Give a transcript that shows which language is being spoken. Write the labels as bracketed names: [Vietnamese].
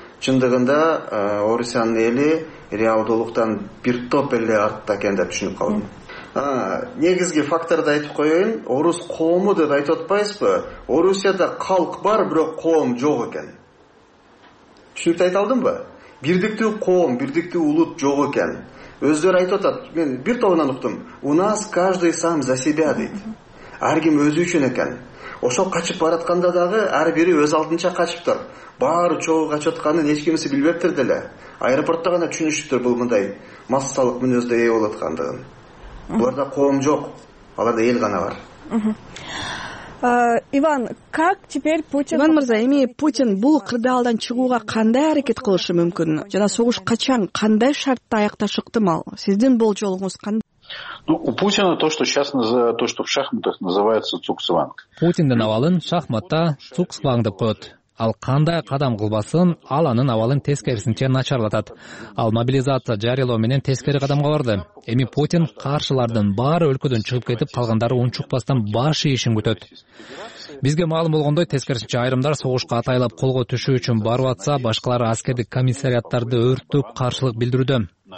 [Kyrgyz] Чындыгында Орусиянын эли реалдуулуктан бир топ эле артта экен деп түшүнүп калдым. Негизги факторду айтып коеюн, орус коому деп айтып атпайсызбы? Орусияда калк бар, бирок коом жок экен. Түшүнүктү айта алдымбы? Бирдиктүү коом, бирдиктүү улут жок экен. Өздөрү айтып атат, мен бир тобунан уктум. [Russian] У нас каждый сам за себя дейт. [Kyrgyz] Ар ким өзү үчүн экен. Ошо качып баратканда дагы ар бири өз алдынча качыптыр. Баары чогуу качатканын эч кимиси билбептир деле. Аэропортто гана түшүнүшүптүр бул мындай массалык мүнөздө ээ болуп аткандыгын. Буларда коом жок, аларда эл гана бар. [Russian] Иван, как теперь Путин... [Kyrgyz] Иван мырза, эми Путин бул кырдаалдан чыгууга кандай аракет кылышы мүмкүн? Жана согуш качан, кандай шартта аякташы ыктымал? Сиздин болжолуңуз кандай? [Russian] Ну, у Путина то, что сейчас называют, то, что в шахматах называется цугцванг. [Kyrgyz] Путиндин абалын шахматта цугцванг деп коет. Ал кандай кадам кылбасын, ал анын абалын тескерисинче начарлатат. Ал мобилизация жарыялоо менен тескери кадамга барды. Эми Путин каршылардын баары өлкөдөн чыгып кетип, калгандары унчукпастан баш ийишин күтөт. Бизге маалым болгондой, тескерисинче айрымдар согушка атайлап колго түшүү үчүн барып атса, башкалары аскердик комиссариаттарды өрттүп каршылык билдирүүдө.